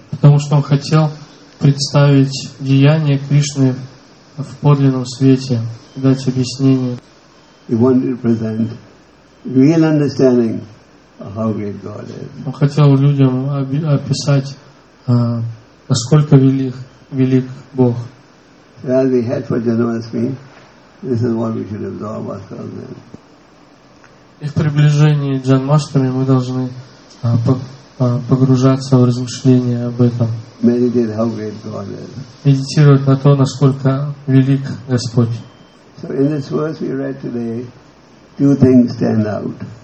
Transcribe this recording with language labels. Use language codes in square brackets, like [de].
[ru] Потому что он хотел представить деяния Кришны в подлинном свете, дать объяснение. [en] He wanted to present real understanding. How great God is. [ru] Он хотел людям описать, насколько велик Бог. [en] As we head for Janmasthami, this is what we should absorb ourselves in. [ru] И в приближении Джанмаштами мы должны погружаться в размышления об этом. [en] Meditate how great God is. [ru] Медитировать на то, насколько велик Господь. [en] So in this verse we read today, two things stand out.